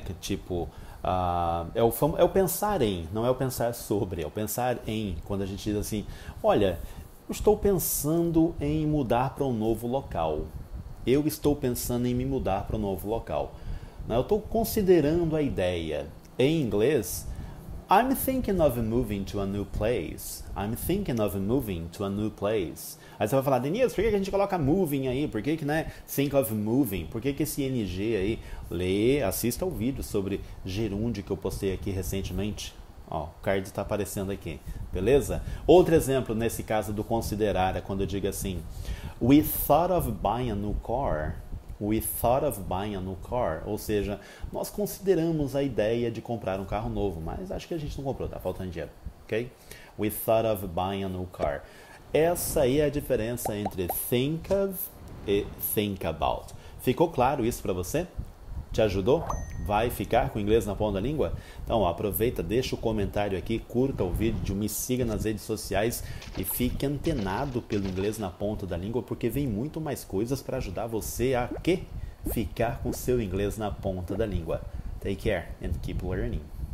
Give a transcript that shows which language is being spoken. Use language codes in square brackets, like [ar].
[pt] Que tipo, é o pensar em, não é o pensar sobre, é o pensar em. Quando a gente diz assim, olha, estou pensando em mudar para um novo local. Eu estou pensando em me mudar para um novo local. Eu estou considerando a ideia. Em inglês, [en] I'm thinking of moving to a new place. I'm thinking of moving to a new place. [pt] Aí você vai falar, Denise, por que a gente coloca moving aí? Por que que, né? Think of moving. Por que que esse NG aí? Lê, assista ao vídeo sobre gerúndio que eu postei aqui recentemente. Ó, o card está aparecendo aqui, beleza? Outro exemplo nesse caso do considerar é quando eu digo assim: [en] We thought of buying a new car. We thought of buying a new car. [pt] Ou seja, nós consideramos a ideia de comprar um carro novo, mas acho que a gente não comprou, tá faltando dinheiro, ok? [en] We thought of buying a new car. [pt] Essa aí é a diferença entre think of e think about. Ficou claro isso para você? Te ajudou? Vai ficar com o inglês na ponta da língua? Então, ó, aproveita, deixa o comentário aqui, curta o vídeo, me siga nas redes sociais e fique antenado pelo inglês na ponta da língua, porque vem muito mais coisas para ajudar você a quê? Ficar com seu inglês na ponta da língua. [en] Take care and keep learning.